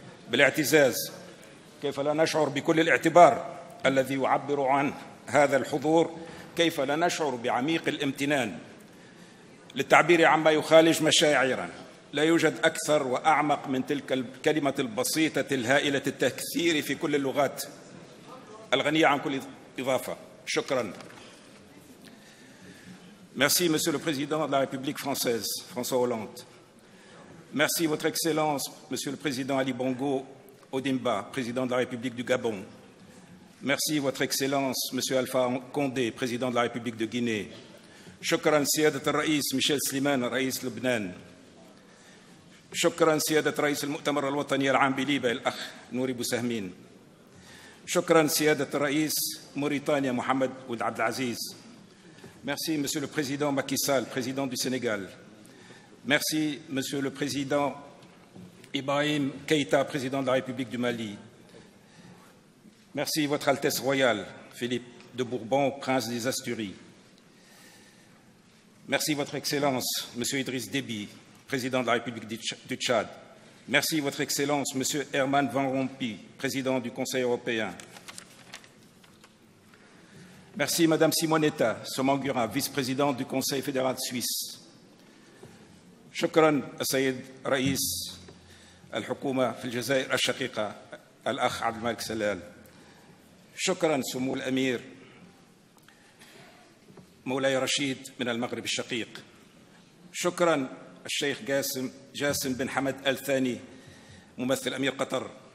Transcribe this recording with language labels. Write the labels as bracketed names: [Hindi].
[Arabic] بالاعتزاز، كيف لا نشعر بكل الاعتبار الذي يعبر عن هذا الحضور، كيف لا نشعر بعميق الامتنان. للتعبير عما يخالج مشاعرنا، لا يوجد أكثر وأعمق من تلك الكلمة البسيطة الهائلة التكثير في كل اللغات الغنية عن كل إضافة. شكراً. [French] Merci Monsieur le Président de la République française, François Hollande. Merci Votre Excellence Monsieur le Président Ali Bongo Odimba, Président de la République du Gabon. Merci Votre Excellence Monsieur Alpha Condé, Président de la République de Guinée. [Arabic] Shukran سيادة الرئيس Michel Slimane, رئيس لبنان. شكرا سيادة رئيس المؤتمر الوطني العام بليبيا الأخ نوري بوسهمين. شكرا سيادة الرئيس موريتانيا محمد ولد عبد العزيز. [French] Merci Monsieur le Président Macky Sall, Président du Sénégal. Merci Monsieur le Président Ibrahim Keïta, Président de la République du Mali. Merci Votre Altesse Royale Philippe de Bourbon, Prince des Asturies. Merci Votre Excellence Monsieur Idriss Déby, Président de la République du Tchad. Merci Votre Excellence Monsieur Herman Van Rompuy, Président du Conseil européen. Merci Madame Simonetta Somangura, Vice-Présidente du Conseil fédéral de Suisse. [Arabic] شكرا السيد رئيس الحكومة في الجزائر الشقيقة الأخ عبد الملك سلال. شكرا سمو الأمير مولاي رشيد من المغرب الشقيق. شكرا الشيخ جاسم بن حمد الثاني ممثل أمير قطر.